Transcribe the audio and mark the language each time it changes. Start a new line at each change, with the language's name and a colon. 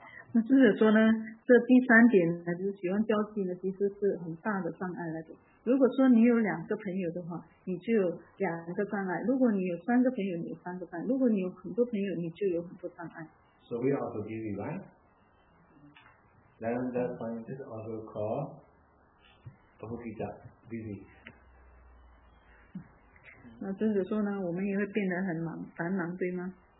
Chinese: 那就是说呢，这第三点呢，就是喜欢交际呢，其实是很大的障碍来的。如果说你有两个朋友的话，你就有两个障碍；如果你有三个朋友，你有三个障碍；如果你有很多朋友，你就有很多障碍。
English: So we are also busy, right? Then that point is also called Pabukita, busy.
Chinese: 那就是说呢，我们也会变得很忙，繁忙，对吗？